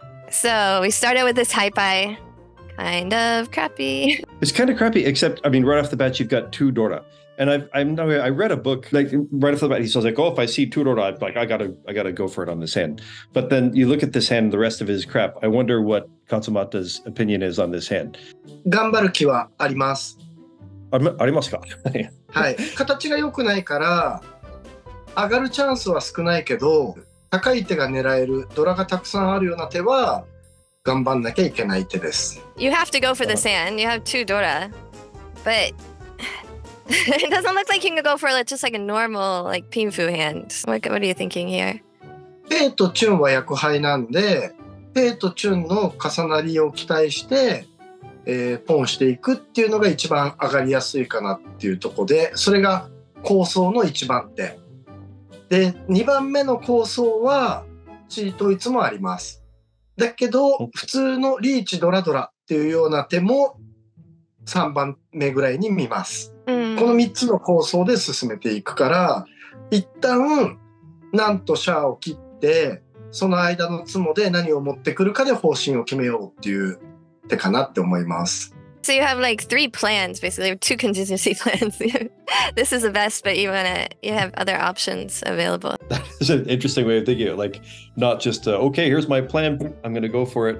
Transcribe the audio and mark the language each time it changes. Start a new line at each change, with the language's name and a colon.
English: So we start out with this high pi. Kind of crappy. It's kind of crappy, except, I mean, right off the bat, you've got 2 Dora. And I read a book, like, right off the bat, he says, like, oh, if I see 2 Dora, I'm like, I gotta go for it on this hand. But then you look at this hand, the rest of it is crap. I wonder what Katsumata's opinion is on this hand.
Japanese: 頑張る気はあります。ありますか?はい。形が良くないから、上がるチャンスは少ないけど、高い手が狙える、ドラがたくさんあるような手は、
English: You have to go for this hand. You have 2 Dora. But It doesn't look like you can go for just like a normal like pinfu hand. What are you thinking here?
Japanese: ペイとチュンは役牌なんで、ペイとチュンの重なりを期待して、ポンしていくっていうのが一番上がりやすいかなっていうところで、それが構想の一番点。で、二番目の構想はチートいつもあります。だけど普通のリーチドラドラっていうような手も3番目ぐらいに見ます、うん、この3つの構想で進めていくから一旦なんとシャアを切ってその間のツモで何を持ってくるかで方針を決めようっていう手かなって思います。
English: So you have like three plans basically, two contingency plans. This is the best, but you wanna, you have other options available. That's an interesting way of thinking it. Like, not just okay, here's my plan, I'm gonna go for it.